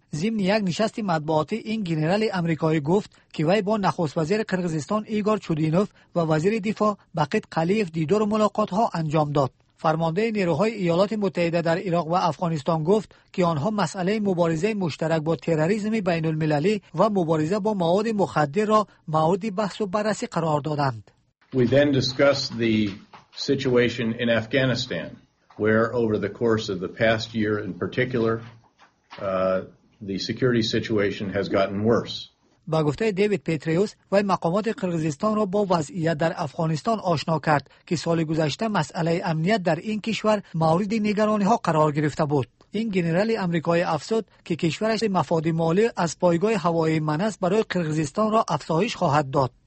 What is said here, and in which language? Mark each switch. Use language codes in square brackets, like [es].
[fa] ضمن یک نشست مطبوعاتی این جنرال آمریکایی گفت که وی با نخست وزیر قرغیزستان ایگور چودینوف و وزیر دفاع بقید قلیف دیدار و ملاقات ها انجام داد. فرمانده نیروهای ایالات متحده در عراق و افغانستان گفت که آنها مسئله مبارزه مشترک با تروریسم بین المللی و مبارزه با مواد مخدر را مورد بحث و بررسی قرار دادند. [en] We then discussed the situation in Afghanistan, where over the course of the past year in particular the security situation has gotten worse. [fa] با گفته دیوید پتریوس، وی مقامات قرغیزستان را با وضعیت در افغانستان آشنا کرد که سال گذشته مسئله امنیت در این کشور مورد نگرانی ها قرار گرفته بود. این جنرال آمریکایی افسود که کشورش مفاد مالی از پایگاه هوایی منس برای قرغیزستان را افزایش خواهد داد.